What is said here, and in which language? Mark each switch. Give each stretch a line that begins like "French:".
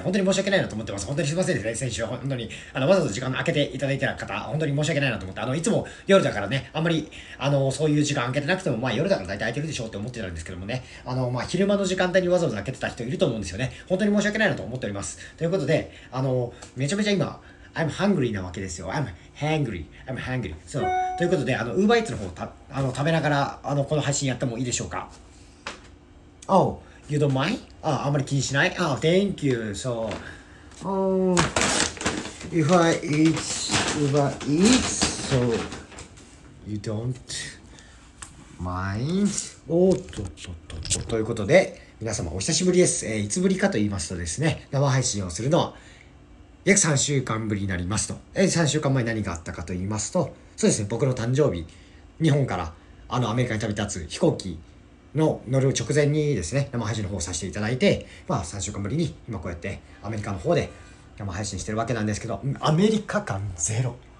Japanese: 本当に申し訳ないなと思ってます。本当にすいませんですね、先週は。本当にわざと時間を空けていただいた方、本当に申し訳ないなと思って、いつも夜だからね、あんまりそういう時間空けてなくても、まあ夜だから大体空いてるでしょうって思ってたんですけどもね、まあ昼間の時間帯にわざわざ空けてた人いると思うんですよね。本当に申し訳ないなと思っております。ということで、めちゃめちゃ今
English: I'm hungry
Japanese: なわけですよ。
English: I'm hungry. そう。
Japanese: ということで、Uber Eats の方を食べながら、この配信やってもいいでしょうか。
English: Oh, you don't mind?
Japanese: あんまり気にしない。
English: Oh, thank you. So, if I eat Uber Eats, so you don't mind?
Japanese: おっとっとっとっと。ということで、皆様お久しぶりです。いつぶりかと言いますとですね、生配信をするのは、約3週間ぶりになりますと。 3週間前何があったかと言いますと、そうですね、僕の誕生日、日本からアメリカに旅立つ飛行機の乗る直前にですね、生配信の方をさせていただいて、まあ3週間ぶりに今こうやってアメリカの方で生配信してるわけなんですけど、アメリカ感ゼロ。